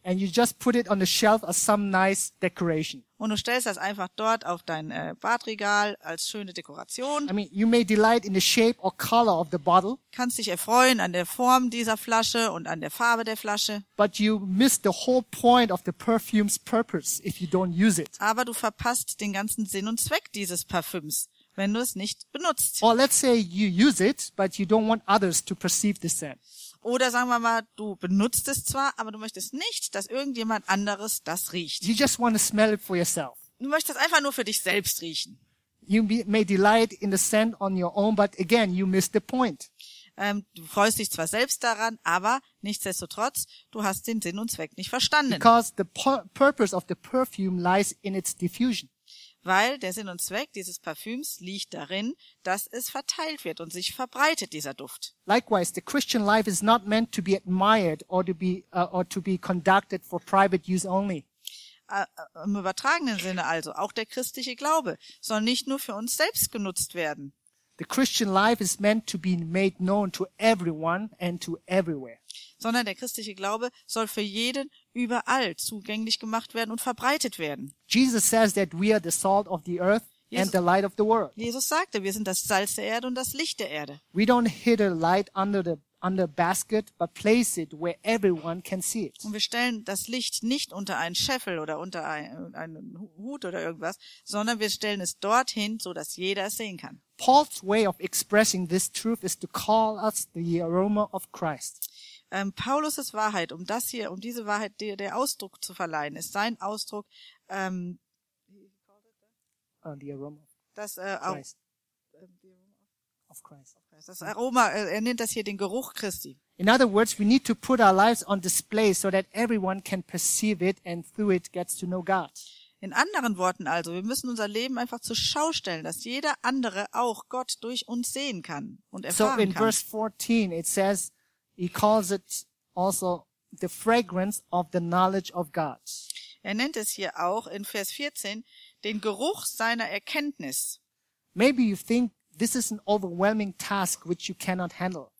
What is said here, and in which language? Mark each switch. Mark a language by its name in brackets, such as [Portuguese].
[English] And you just put it on the shelf as some nice decoration. [German] Und du stellst das einfach dort auf dein Badregal als schöne Dekoration. [English] I mean, you may delight in the shape or color of the bottle. [German] Kannst dich erfreuen an der Form dieser Flasche und an der Farbe der Flasche. [English] But you miss the whole point of the perfume's purpose if you don't use it. [German] Aber du verpasst den ganzen Sinn und Zweck dieses Parfüms, wenn du es nicht benutzt. [English] Or let's say you use it, but you don't want others to perceive the scent. [German] Oder sagen wir mal, du benutzt es zwar, aber du möchtest nicht, dass irgendjemand anderes das riecht. [English] You just want to smell it for yourself. [German] Du möchtest einfach nur für dich selbst riechen. [English] You may delight in the scent on your own, but again, you miss the point. [German] Du freust dich zwar selbst daran, aber nichtsdestotrotz, du hast den Sinn und Zweck nicht verstanden. [English] Because the purpose of the perfume lies in its diffusion. [German] Weil der Sinn und Zweck dieses Parfüms liegt darin, dass es verteilt wird und sich verbreitet, dieser Duft. [English] Likewise, the Christian life is not meant to be admired or to be conducted for private use only. [German] Im übertragenen Sinne also, auch der christliche Glaube soll nicht nur für uns selbst genutzt werden. [English] The Christian life is meant to be made known to everyone and to everywhere. [German] Sondern der christliche Glaube soll für jeden überall zugänglich gemacht werden und verbreitet werden. [English] Jesus says that we are the salt of the earth and the light of the world. [German] Jesus sagte, wir sind das Salz der Erde und das Licht der Erde. [English] We don't hide a light under a basket, but place it where everyone can see it. [German] Und wir stellen das Licht nicht unter einen Scheffel oder unter einen Hut oder irgendwas, sondern wir stellen es dorthin, so dass jeder es sehen kann. [English] Paul's way of expressing this truth is to call us the aroma of Christ. [German] Paulus' Wahrheit, um diese Wahrheit dir der Ausdruck zu verleihen, ist sein Ausdruck, das Aroma, er nennt das hier den Geruch Christi. [English] In other words, we need to put our lives on display so that everyone can perceive it and through it gets to know God. [German] In anderen Worten also, wir müssen unser Leben einfach zur Schau stellen, dass jeder andere auch Gott durch uns sehen kann und erfahren kann. [English] So in verse 14 it says, he calls it also the fragrance of the knowledge of God. [German] Er nennt es hier auch in Vers 14 den Geruch seiner Erkenntnis. [English] Maybe you think this is an overwhelming task which you cannot handle.